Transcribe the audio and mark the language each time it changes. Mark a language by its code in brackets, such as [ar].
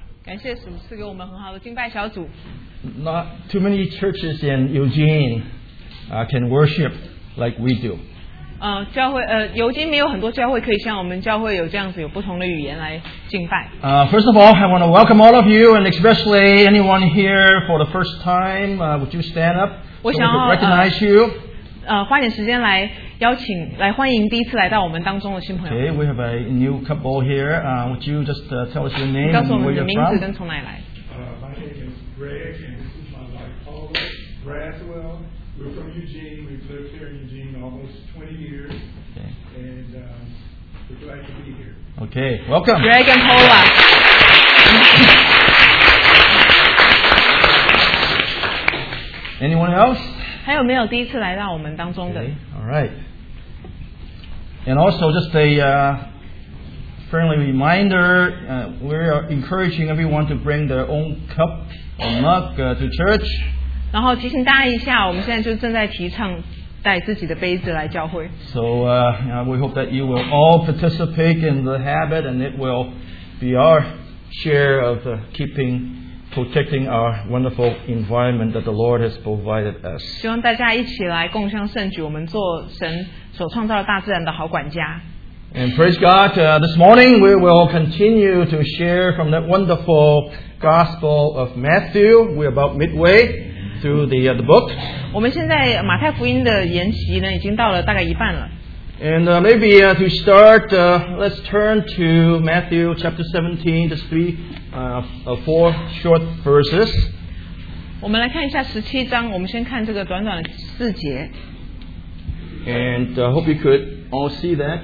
[zh] 感谢主赐给我们很好的敬拜小组。 [en] Not too many churches in Eugene, can worship like we do. [zh] 教会尤金没有很多教会可以像我们教会有这样子有不同的语言来敬拜。 [en] First of all, I want to welcome all of you, and especially anyone here for the first time. Would you stand up? [zh] 我想要、 [en] so、recognize you. [zh] 花点时间来。邀请来欢迎第一次来到我们当中的新朋友。 [en] Okay, we have a new couple here. Would you just tell us your name and where you're from? [zh] 告诉我们你的名字跟从哪里来。 [en] My name is Greg, and this is my wife, Paula Braswell. We're from Eugene. We've lived here in Eugene almost 20 years. Okay. And we're glad to be here. Okay, welcome. Greg and Paula. Anyone else? [zh] 还有没有第一次来到我们当中的？ [en] Okay. Right. And also just a friendly reminder, we are encouraging everyone to bring their own cup or mug to church. [zh] 然后提醒大家一下，我们现在就正在提倡带自己的杯子来教会。 [en] So we hope that you will all participate in the habit, and it will be our share of keeping. Protecting our wonderful environment that the Lord has provided us. [zh] 希望大家一起来共襄盛举，我们做神所创造的大自然的好管家。 [en] And praise God, this morning we will continue to share from that wonderful Gospel of Matthew. We're about midway through the book. [zh] 我们现在马太福音的研习呢，已经到了大概一半了。 [en] And maybe to start, let's turn to Matthew chapter 17, just four short verses. [zh] 我们来看一下十七章，我们先看这个短短的四节。 [en] And I hope you could all see that.